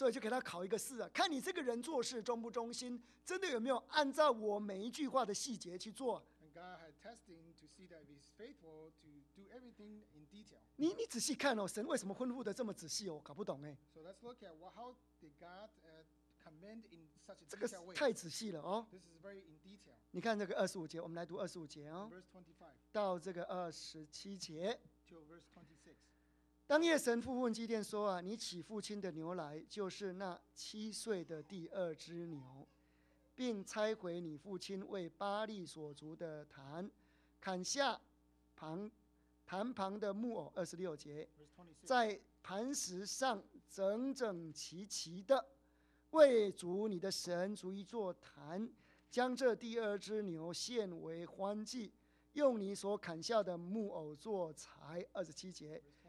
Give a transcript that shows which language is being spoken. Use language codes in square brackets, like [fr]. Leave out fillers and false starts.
[zh] 所以就给他考一个试啊，看你这个人做事忠不忠心，真的有没有按照我每一句话的细节去做。 [en] And God had testing to see that he's faithful to do everything in detail. [zh] 你仔细看哦，神为什么吩咐的这么仔细哦？搞不懂哎。 [en] So let's look at what, how did God command in such a detailed way. [zh] 这个太仔细了哦。 [en] This is very in detail. [zh] 你看这个二十五节，我们来读二十五节哦。 [en] Verse 25. [zh] 到这个二十七节。 [en] Till verse 26. [zh] 当夜神父问基甸说，啊，你起父亲的牛来，就是那七岁的第二只牛，并拆毁你父亲为巴利所筑的坛，砍下坛旁的木偶，二十六节，在磐石上整整齐齐的为主你的神筑一座坛，将这第二只牛献为欢祭，用你所砍下的木偶做柴，二十七节。